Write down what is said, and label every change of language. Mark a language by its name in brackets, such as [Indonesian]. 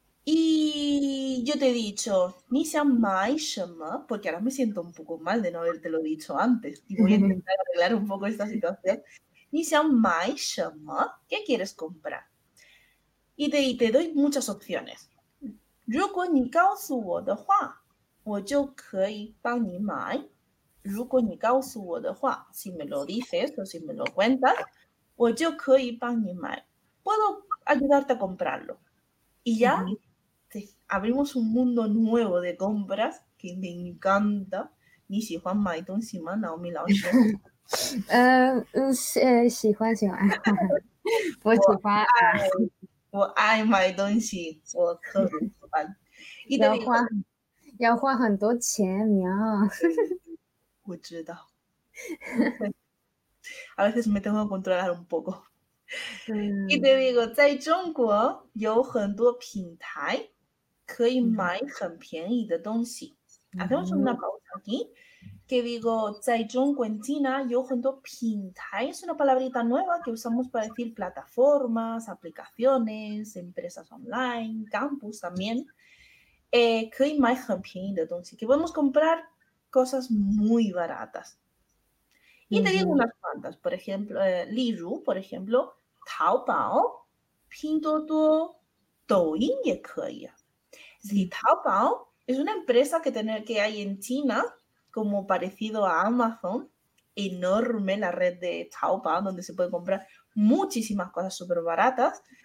[Spanish] Y yo te he dicho, [Chinese] ni xiang mai shema, [Spanish] porque ahora me siento un poco mal de no haberte lo dicho antes y voy a intentar arreglar un poco esta situación. [Chinese] Ni xiang mai shema, [Spanish] ¿qué quieres comprar? Y te doy muchas opciones. [Chinese] 如果你告诉我的话，我就可以帮你买。如果你告诉我的话 [Spanish] si me lo dices o si me lo cuentas, [Chinese] 我就可以帮你买 [Spanish] puedo ayudarte a comprarlo. Y ya abrimos un mundo nuevo de compras que me encanta. [Chinese] 你喜欢买东西吗 Naomi 老师？喜欢喜欢，我喜欢，我爱买东西，我特别喜欢。要花很多钱，娘。我知道， [Spanish] a veces me tengo que controlar un poco. Y te digo, [Chinese] 在中国有很多品牌可以买很便宜的东西。 [Spanish] Hacemos una pausa aquí. Que digo, [Chinese] 在中国 [Spanish] en China [Chinese] 有很多品牌 [Spanish] es una palabrita nueva que usamos para decir plataformas, aplicaciones, empresas online, campus también. [Chinese] 可以买很便宜的东西 [Spanish] que podemos comprar. Cosas muy baratas. Y te digo unas cuantas, por ejemplo, Liru, por ejemplo, Taobao, Pinduoduo, Douyin, y Kaya. Si Taobao es una empresa que hay en China, como parecido a Amazon, enorme la red de Taobao, donde se puede comprar muchísimas cosas súper baratas,